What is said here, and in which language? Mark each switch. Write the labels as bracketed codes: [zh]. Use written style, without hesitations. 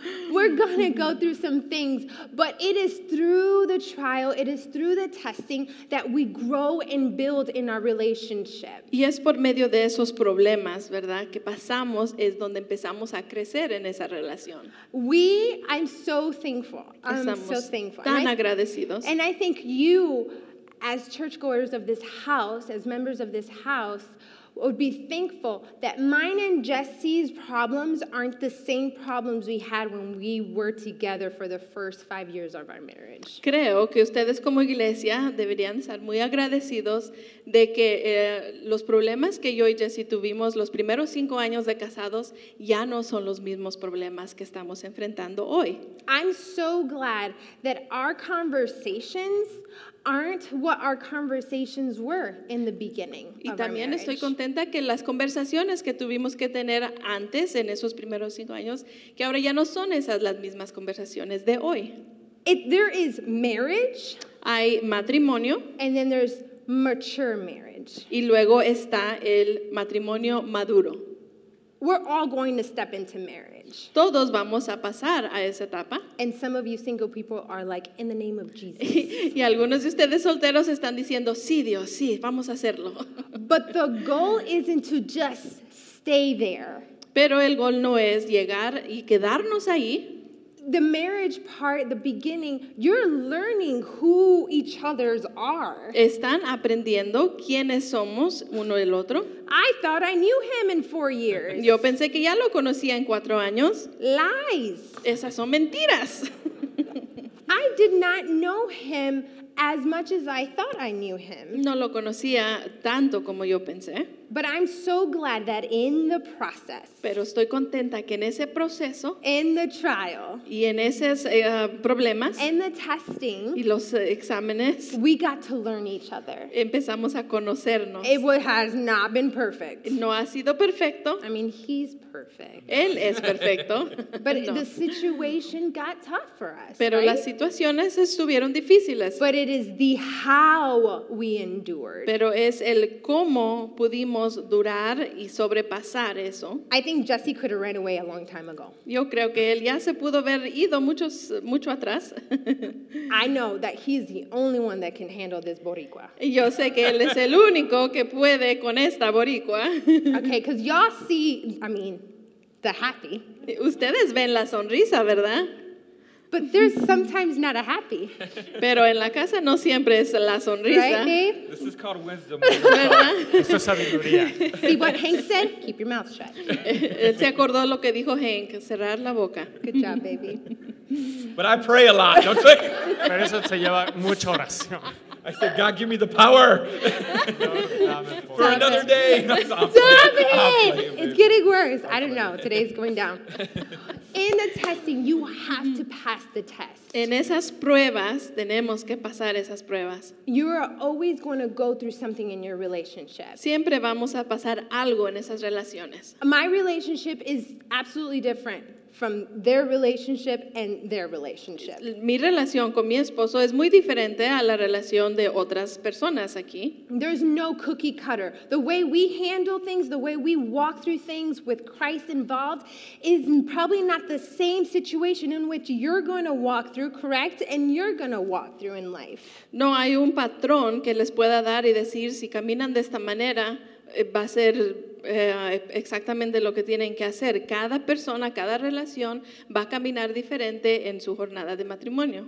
[en] We're going to go through some things, but it is through the trial, it is through the testing that we grow and build in our relationship. [es] Y es por medio de esos problemas, ¿verdad? Que pasamos es donde empezamos a crecer en esa relación. [en] I'm so thankful. [es] Tan agradecidos. [en] And I think you, as churchgoers of this house, as members of this house, would be thankful that mine and Jesse's problems aren't the same problems we had when we were together for the first 5 years of our marriage. [es] Creo que ustedes como iglesia deberían estar muy agradecidos de que los problemas que yo y Jesse tuvimos los primeros 5 años de casados ya no son los mismos problemas que estamos enfrentando hoy. [en] I'm so glad that our conversations aren't what our conversations were in the beginning. [es] Y también estoy contenta que las conversaciones que tuvimos que tener antes en esos primeros 5 años, que ahora ya no son esas las mismas conversaciones de hoy. [en] There is marriage. [es] Hay matrimonio. [en] And then there's mature marriage. [es] Y luego está el matrimonio maduro. [en] We're all going to step into marriage. [es] Todos vamos a pasar a esa etapa. [en] And some of you single people are like, in the name of Jesus. [es] Y algunos de ustedes solteros están diciendo, sí, Dios, sí, vamos a hacerlo. [en] But the goal isn't to just stay there. [es] Pero el gol no es llegar y quedarnos ahí. [en] The marriage part, the beginning, you're learning who each other's are. [es] Están aprendiendo quiénes somos uno el otro. [en] I thought I knew him in 4 years. [es] Yo pensé que ya lo conocía en 4 años. [en] Lies. [es] Esas son mentiras. [en] I did not know him as much as I thought I knew him. [es] No lo conocía tanto como yo pensé. [en] But I'm so glad that in the process. [es] Pero estoy contenta que en ese proceso. [en] In the trial. [es] Y en esos problemas. [en] In the testing. [es] Y los exámenes. [en] We got to learn each other. [es] Empezamos a conocernos. [en] It has not been perfect. [es] No ha sido perfecto. [en] I mean, he's perfect. [es] Él es perfecto. [en] But no. The situation got tough for us. [es] Pero [en] right? [es] Las situaciones estuvieron difíciles. [en] But it is the how we endured. [es] Pero es el cómo pudimos durar y sobrepasar eso. [en] I think Jesse could have ran away a long time ago. [es] Yo creo que él ya se pudo haber ido mucho atrás. [en] I know that he's the only one that can handle this boricua. [es] Yo sé que él es el único que puede con esta boricua. [en] Okay, because y'all see, I mean, the happy. [es] Ustedes ven la sonrisa, ¿verdad? [en] But there's sometimes not a happy. [es] Pero en la casa no siempre es la sonrisa. [en] Right, Dave? This is called wisdom. [es] Esto es sabiduría. [en] See what Hank said? Keep your mouth shut. [es] Él se acordó lo que dijo Hank, cerrar la boca. [en] Good job, baby. But I pray a lot, don't you? [es] Pero eso se lleva mucha oración. [en] I said, God, give me the power for another day. Stop it! It's getting worse. I don't know. Today's going down. In the testing, you have to pass the test. [es] En esas pruebas, tenemos que pasar esas pruebas. [en] You are always going to go through something in your relationship. [es] Siempre vamos a pasar algo en esas relaciones. [en] My relationship is absolutely different from their relationship and their relationship. [es] Mi relación con mi esposo es muy diferente a la relación de otras personas aquí. [en] There's no cookie cutter. The way we handle things, the way we walk through things with Christ involved is probably not the same situation in which you're going to walk through, correct? And you're going to walk through in life. [es] No hay un patrón que les pueda dar y decir si caminan de esta manera va a ser exactamente lo que tienen que hacer. Cada persona, cada relación va a caminar diferente en su jornada de matrimonio.